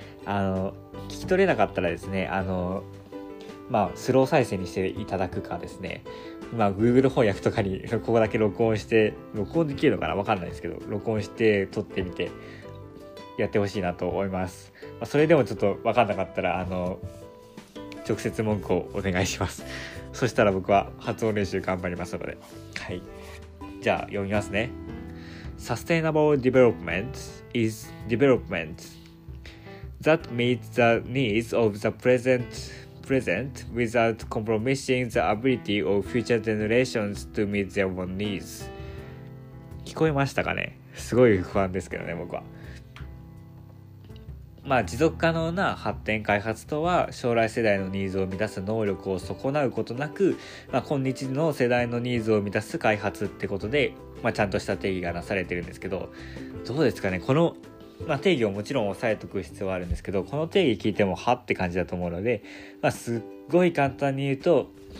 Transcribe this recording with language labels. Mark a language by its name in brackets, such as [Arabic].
[Japanese] 聞き取れなかったらですね、まあ、スロー再生にしていただくかですね、まあ、Google 翻訳とかにここだけ録音できるのかな、分かんないですけど、録音して撮ってみてやってほしいなと思います。まあ、それでもちょっと分かんなかったら、直接文句をお願いします。そしたら僕は発音練習頑張りますので。はい。じゃあ、読みますね。 [English] Sustainable development is developmentThat meets the needs of the present without compromising the ability of future generations to meet their own needs. [Japanese] 聞こえましたかね？すごい不安ですけどね、僕は。まあ、持続可能な発展開発とは、将来世代のニーズを満たす能力を損なうことなく、まあ、今日の世代のニーズを満たす開発ってことで、まあ、ちゃんとした定義がなされてるんですけど、どうですかね、このまあ、定義をもちろん押さえておく必要はあるんですけど、この定義聞いてもはって感じだと思うので、まあ、すっごい簡単に言うと、